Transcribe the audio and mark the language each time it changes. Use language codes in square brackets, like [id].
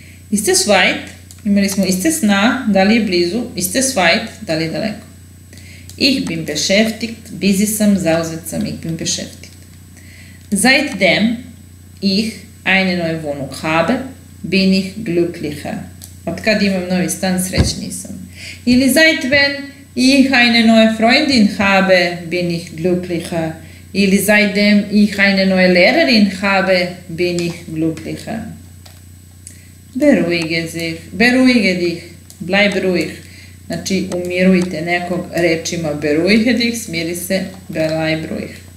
[de] Ist es weit? [sr] Imali smo, [de] ist es nah? [sr] Da li je blizu? Ist es weit? Da li je daleko? [de] Ich bin beschäftigt, busy sam, [sr] zauzet sam, [de] ich bin beschäftigt. Seitdem ich eine neue Wohnung habe, bin ich glücklicher. [sr] Odkad imam novi stan, srećniji sam. [de] Ili seitdem ich eine neue Freundin habe, bin ich glücklicher. Ili seitdem ich eine neue Lehrerin habe, bin ich glücklicher. Beruhige dich, bleib ruhig. [sr] Znači, umirujte nekog rečima [de] beruhige dich, [sr] smiri se, [de] bleib ruhig.